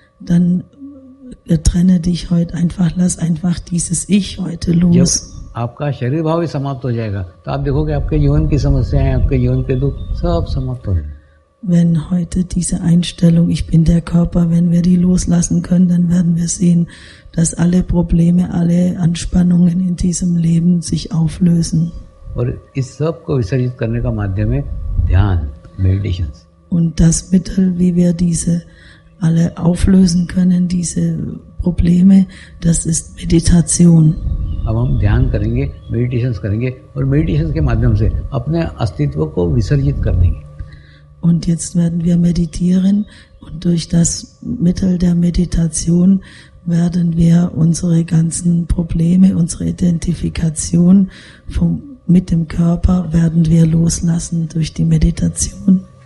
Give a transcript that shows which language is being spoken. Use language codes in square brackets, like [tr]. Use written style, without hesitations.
[de] Dann trenne dich heute einfach, lass einfach dieses Ich heute los. [hi] आपका शरीर भाव ही समाप्त हो जाएगा, तो आप देखोगे आपके जीवन की समस्याएं, आपके जीवन के दुख सब समाप्त हो जाएंगे. [de] Wenn heute diese Einstellung, ich bin der Körper, wenn wir die loslassen können, dann werden wir sehen, dass alle Probleme, alle Anspannungen in diesem Leben sich auflösen. [hi] और इस सब को विसर्जित करने का माध्यम है ध्यान, meditation. [de] Und das Mittel, wie wir diese alle auflösen können, diese Probleme, das ist Meditation. [hi] अब हम ध्यान करेंगे, meditations करेंगे और meditations के माध्यम से अपने अस्तित्व को विसर्जित कर देंगे. [de] Und jetzt werden wir meditieren und durch das Mittel der Meditation werden wir unsere ganzen Probleme, unsere Identifikation mit dem Körper werden wir loslassen durch die Meditation.